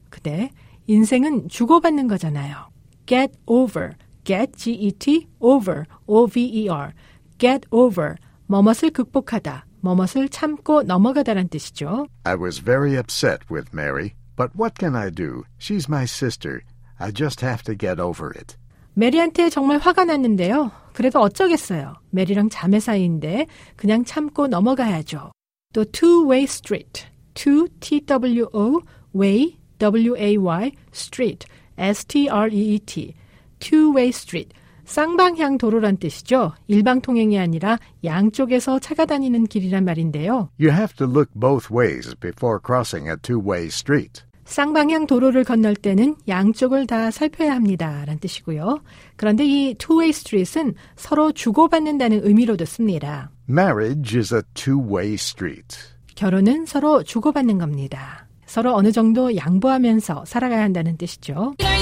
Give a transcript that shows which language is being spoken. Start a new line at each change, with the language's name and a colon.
Korean: 그대, 인생은 주고받는 거잖아요.
English: Get over. Get, G-E-T, over, O-V-E-R. Get over.
Korean: 뭐뭇을 극복하다, 뭐뭇을 참고 넘어가다란 뜻이죠.
English: I was very upset with Mary, but what can I do? She's my sister. I just have to get over it.
Korean: 메리한테 정말 화가 났는데요. 그래도 어쩌겠어요. 메리랑 자매 사이인데 그냥 참고 넘어가야죠. 또 two-way street.
English: Two, T-W-O, way, W-A-Y, street, S-T-R-E-E-T.
Korean: Two-way street. 쌍방향 도로란 뜻이죠. 일방통행이 아니라 양쪽에서 차가 다니는 길이란 말인데요.
English: You have to look both ways before crossing a two-way street.
Korean: 쌍방향 도로를 건널 때는 양쪽을 다 살펴야 합니다. 라는 뜻이고요. 그런데 이 two-way street은 서로 주고받는다는 의미로도 씁니다.
English: Marriage is a two-way street.
Korean: 결혼은 서로 주고받는 겁니다. 서로 어느 정도 양보하면서 살아가야 한다는 뜻이죠.